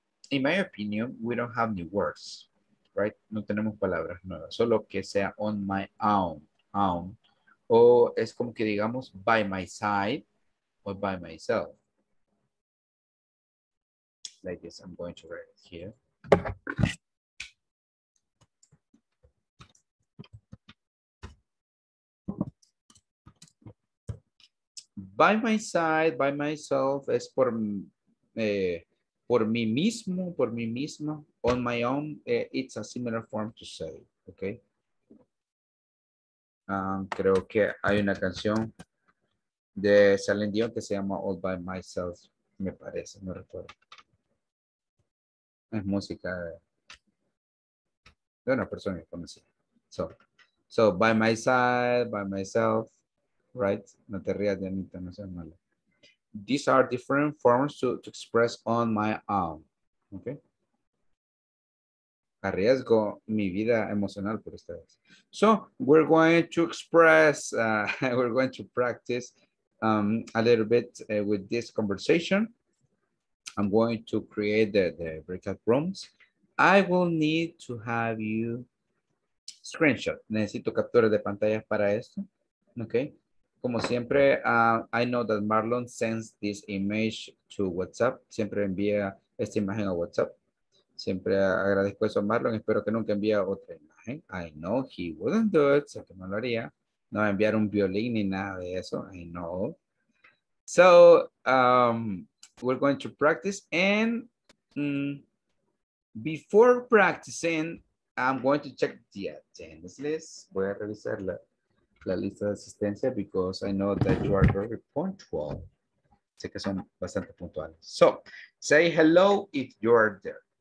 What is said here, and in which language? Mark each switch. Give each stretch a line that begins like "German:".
English: In my opinion, we don't have new words, right?
Spanish: No tenemos palabras nuevas, solo que sea
English: on my own.
Spanish: O es como que digamos
English: by my side or by myself. Like this, I'm going to write it here. By my side, by myself,
Spanish: es por mí mismo, por mí misma.
English: On my own, it's a similar form to say, okay?
Spanish: Creo que hay una canción de Celine Dion que se llama All By Myself, me parece, no recuerdo. Es música de una persona que conocí.
English: So, by my side, by myself, right?
Spanish: No te rías de mí, no seas malo.
English: These are different forms to express on my own, okay?
Spanish: Arriesgo mi vida emocional por ustedes.
English: So, we're going to express, we're going to practice a little bit with this conversation. I'm going to create the breakout rooms. I will need to have you screenshot.
Spanish: Necesito capturas de pantalla para esto. Okay. Como siempre,
English: I know that Marlon sends this image to WhatsApp.
Spanish: Siempre envía esta imagen a WhatsApp. Siempre agradezco eso a Marlon. Espero que nunca envíe otra imagen.
English: I know he wouldn't do it.
Spanish: Sé que no lo haría. No va a enviar un violín ni nada de eso.
English: I know. So, we're going to practice. And before practicing, I'm going to check the attendance list.
Spanish: Voy a revisar la lista de asistencia
English: because I know that you are very punctual.
Spanish: Sé que son bastante puntuales.
English: So, say hello if you are there.